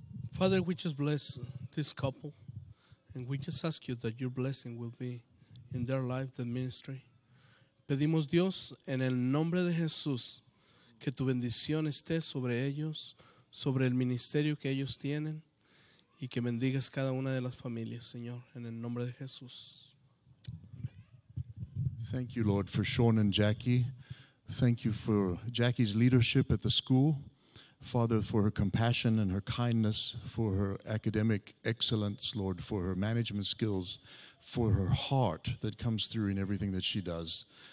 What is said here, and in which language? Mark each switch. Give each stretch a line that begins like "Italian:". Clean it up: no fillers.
English: Father, we just bless this couple and we just ask you that your blessing will be in their life, the ministry.
Spanish: Pedimos Dios en el nombre de Jesús que tu bendición esté sobre ellos, sobre el ministerio que ellos tienen y que bendigas cada una de las familias, Señor, en el nombre de Jesús.
English: Thank you, Lord, for Sean and Jackie. Thank you for Jackie's leadership at the school. Father, for her compassion and her kindness, for her academic excellence, Lord, for her management skills, for her heart that comes through in everything that she does.